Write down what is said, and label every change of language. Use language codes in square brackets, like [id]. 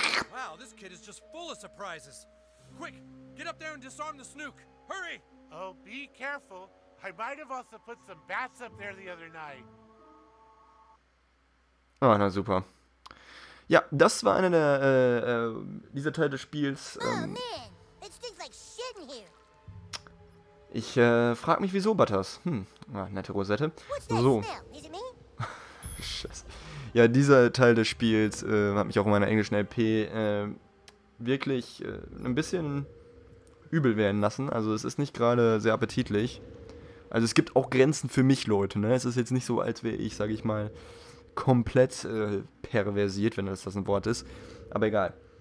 [en] Wow, this kid is just full of surprises. Quick, get up there and disarm the snook. Hurry! Oh, be careful. I might have also put some bats up there the other night. [de] Oh, na super. Ja, das war einer der, dieser Teil des Spiels. [en] Oh man, it stinks like shit in here. [de] Ich, frag mich wieso, Butters. Nette Rosette. So. Scheiße. Ja, dieser Teil des Spiels, hat mich auch in meiner englischen LP, wirklich, ein bisschen übel werden lassen. Also, es ist nicht gerade sehr appetitlich. Also, es gibt auch Grenzen für mich, Leute, ne? Es ist jetzt nicht so, als wäre ich, sag ich mal, komplett perversiert, wenn das ein Wort ist. Aber egal.